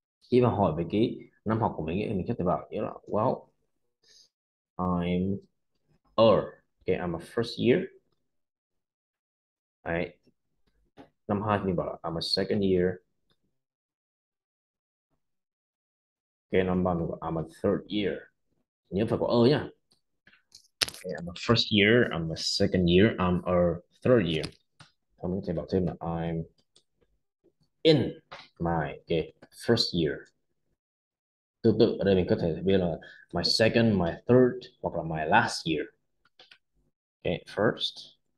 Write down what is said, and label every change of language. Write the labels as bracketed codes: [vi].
[vi] Khi mà hỏi về cái năm học của mình ấy, mình có thể bảo nghĩa là [en] well I'm I'm a first year. [vi] Đấy. Năm hai thì mình bảo là [en] I'm a second year. [vi] Ok, năm ba mình bảo [en] I'm a third year. [vi] Nhớ phải có ơ nhá. [en] I'm a first year, I'm a second year, I'm a third year. [vi] Mình có thể bảo thêm là [en] I'm in my first year. [vi] Tương tự ở đây mình có thể biết là my second, my third hoặc là my last year. Ok, first.